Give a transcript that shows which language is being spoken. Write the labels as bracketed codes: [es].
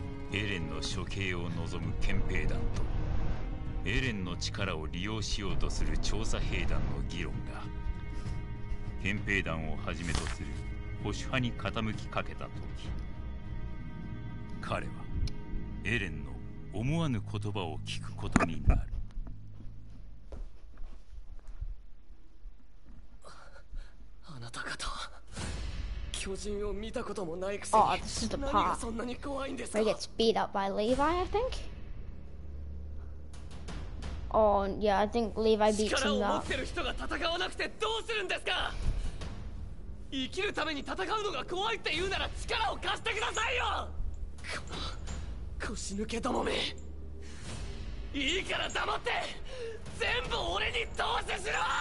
[ja] エレンの処刑を望む憲兵団とエレンの力を利用しようとする調査兵団の議論が、憲兵団をはじめとする保守派に傾きかけた時、彼はエレンの思わぬ言葉を聞くことになる。あなた方は巨人を見たこともないくせに、何がそんなに怖いんですか。 [en] He gets beat up by Levi, I think. Oh, yeah, I think Levi beats him up. [ja] 力を持ってる人が戦わなくてどうするんですか。生きるために戦うのが怖いって言うなら力を貸してくださいよ。この腰抜けどもめ、いいから黙って全部俺に投資しろ。